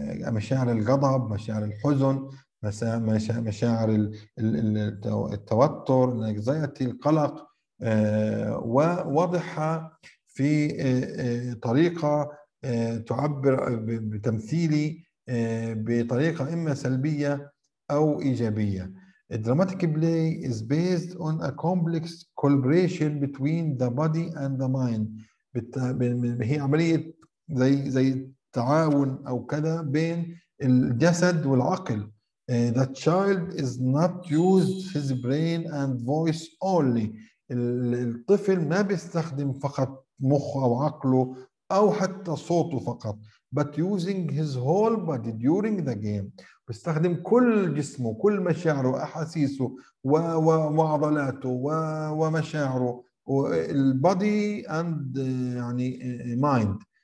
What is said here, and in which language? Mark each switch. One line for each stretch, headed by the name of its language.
Arabic: مشاعر الغضب، مشاعر الحزن، مشاعر التوتر، الانكزايتي، القلق، ووضعها في طريقه تعبر بتمثيلي بطريقة إما سلبية أو إيجابية.
English: Dramatic play is based on a complex collaboration between the body and the mind.
Arabic: هي عملية زي تعاون أو كذا بين الجسد والعقل.
English: The child is not used his brain and voice only.
Arabic: الطفل ما بيستخدم فقط مخه أو عقله أو حتى صوته فقط،
English: but using his whole body during the game،
Arabic: بيستخدم كل جسمه، كل مشاعره، أحاسيسه، وعضلاته، ومشاعره، body and يعني mind.